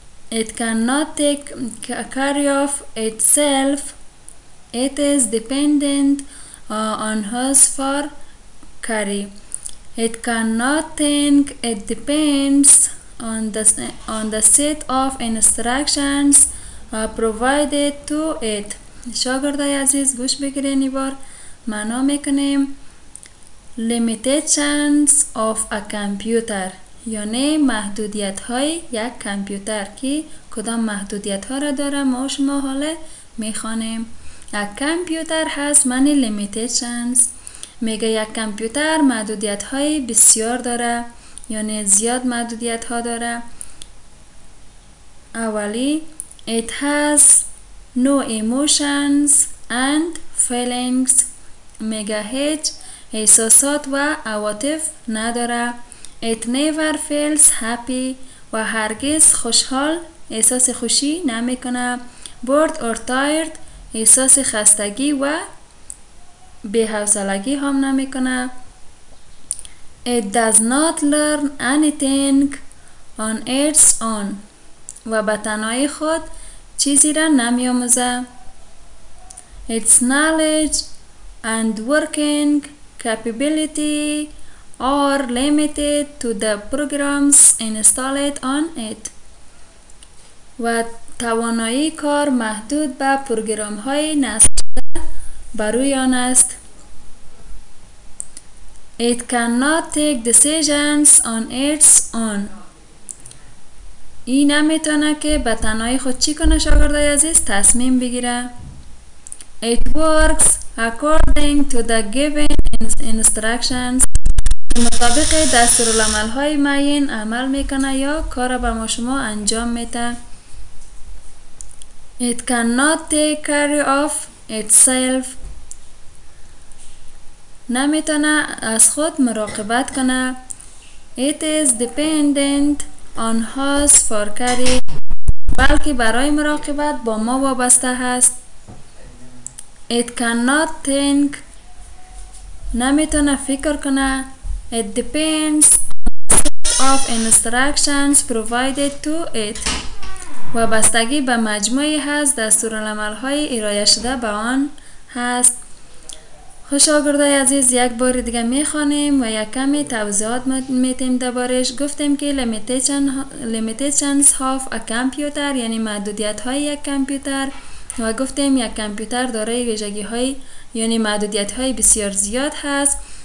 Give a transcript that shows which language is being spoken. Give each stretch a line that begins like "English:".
English: It cannot take care of itself. It is dependent on us for carry. It cannot think. It depends on the set of instructions provided to it.
Persian: شاگردای عزیز گوش بگیرین، این بار معنا میکنیم
English: limitations of a computer
Persian: یعنی محدودیت های یک کامپیوتر، که کدام محدودیت ها را داره ما شما حالا میخوانیم.
English: A computer has many limitations.
Persian: میگه یک کامپیوتر محدودیت های بسیار داره، یعنی زیاد محدودیت ها داره. اولی،
English: it has no emotions and feelings.
Persian: میگه هیچ احساسات و عواطف نداره.
English: It never feels happy.
Persian: و هرگز خوشحال، احساس خوشی نمیکنه.
English: Bored or tired،
Persian: احساس خستگی و بی‌حوصلگی هم نمیکنه.
English: It does not learn anything on its own.
Persian: و به تنهایی خود چیزی را نمی‌آموزه.
English: Its knowledge and working capability are limited to the programs installed on it.
Persian: و توانایی کار محدود به پروگرام‌های نصب شده بر روی آن است.
English: It cannot take decisions on its own.
Persian: این نمیتونه که به تنهای خود چی کنه شاگردای عزیز؟ تصمیم بگیره.
English: It works according to the given instructions.
Persian: مطابق دستورالعمل های معین عمل میکنه یا کار به ما شما انجام میده.
English: It cannot take care of itself.
Persian: نمیتونه از خود مراقبت کنه.
English: It is dependent on us for carry.
Persian: بلکه برای مراقبت با ما وابسته هست.
English: It cannot think.
Persian: نمیتونه فکر کنه.
English: It depends on the type of instructions provided to it.
Persian: وابستگی به مجموعی هست دستورالعمل های ارائه شده به آن هست. خوش آگردهای عزیز، یک بار دیگه میخوانیم و یک کمی توضیحات میتیم دبارش. گفتیم که
English: limitations of a computer
Persian: یعنی محدودیت های یک کمپیوتر، و گفتیم یک کمپیوتر دارای ویژگی های یعنی محدودیت های بسیار زیاد هست.